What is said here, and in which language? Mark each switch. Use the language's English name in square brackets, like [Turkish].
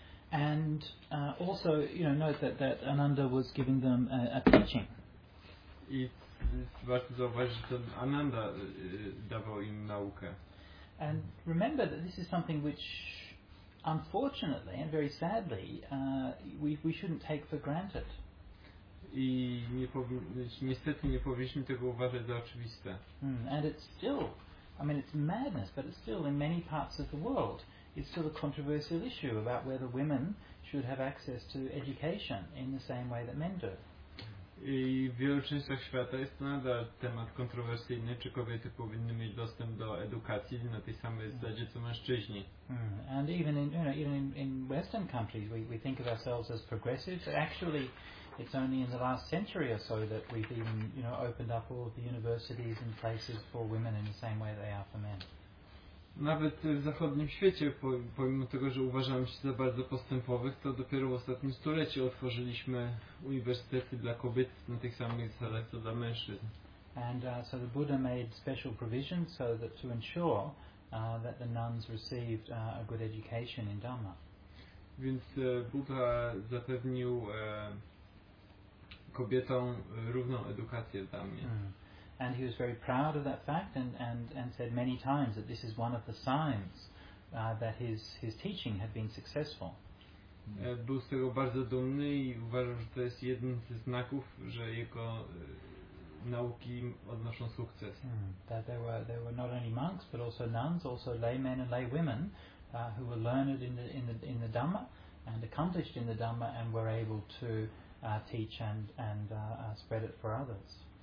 [English] And also, you know, note that Ananda was giving them a teaching. [Polish] I warto zauważyć, że Ananda dawał im naukę. [English] And remember that this is something which, unfortunately and very sadly, we shouldn't take for granted. [Polish] I niestety nie powinniśmy tego uważać za oczywiste. [English] And it's still, I mean, it's madness, but it's still in many parts of the world. It's still a controversial issue about whether women should have access to education in the same way that men do. [Polish] I w wielu częściach świata jest to nadal temat kontrowersyjny, czy kobiety powinny mieć dostęp do edukacji na tej samej zasadzie co mężczyźni. [English] And even in, you know, even in Western countries we think of ourselves as progressive, but actually it's only in the last century or so that we've even, you know, opened up all of the universities and places for women in the same way they are for men. [Polish] Nawet w zachodnim świecie, pomimo tego, że uważamy się za bardzo postępowych, to dopiero w ostatnim stuleciu otworzyliśmy uniwersytety dla kobiet na tych samych zasadach co dla mężczyzn. [English] And so the Buddha made special provisions so that to ensure that the nuns received a good education in Dhamma. [Polish] Więc Buddha zapewnił kobietom równą edukację w Dhammie. [English] And he was very proud of that fact and said many times that this is one of the signs that his teaching had been successful. [Polish] Był z tego bardzo dumny i uważał, że to jest jeden ze znaków, że jego nauki odnoszą sukces. [English] That there were not only monks but also nuns, also laymen and laywomen who were learned in the Dhamma and accomplished in the Dhamma and were able to teach and spread it for others.